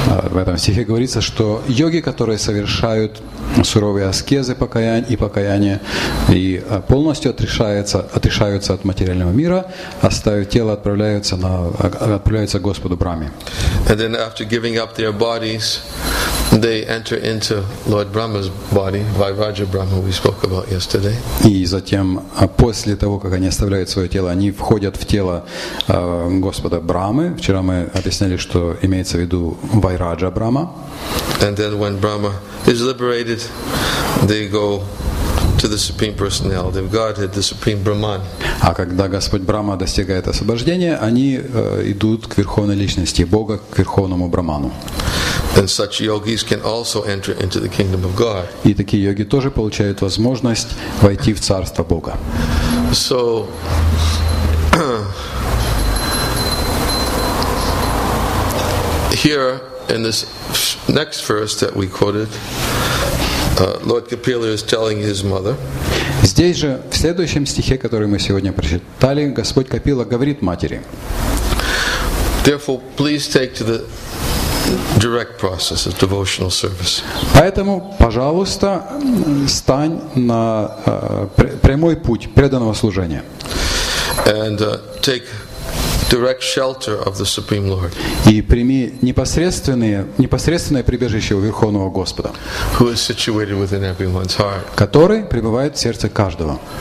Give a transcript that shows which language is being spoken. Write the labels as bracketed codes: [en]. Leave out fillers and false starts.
[ru] В этом стихе говорится, что йоги, которые совершают суровые аскезы и покаяние и полностью отрешаются от материального мира, оставив тело, отправляются к Господу Браме. [en] And then after giving up their bodies, they enter into Lord Brahma's body, Vairaja Brahma, we spoke about yesterday. [ru] И затем, после того, как они оставляют свое тело, они входят в тело Господа Брамы. Вчера мы объясняли, что имеется в виду Вайраджа Брама. [en] And then when Brahma is liberated, they go to the Supreme Personality of Godhead, the Supreme Brahman. [ru] А когда Господь Брама достигает освобождения, они идут к Верховной Личности Бога, к Верховному Браману. [en] And such yogis can also enter into the kingdom of God. [ru] И такие йоги тоже получают возможность войти в царство Бога. [en] So, here in this next verse that we quoted, Lord Kapila is telling his mother. [ru] Здесь же в следующем стихе, который мы сегодня прочитали, Господь Капила говорит матери. [en] Therefore, please take to the direct process of devotional service. [ru] Поэтому, пожалуйста, стань на прямой путь преданного служения. [en] And take direct shelter of the Supreme Lord. [ru] И прими непосредственное прибежище у Верховного Господа. [en] Who is situated within everyone's heart. [ru] Который пребывает в сердце каждого.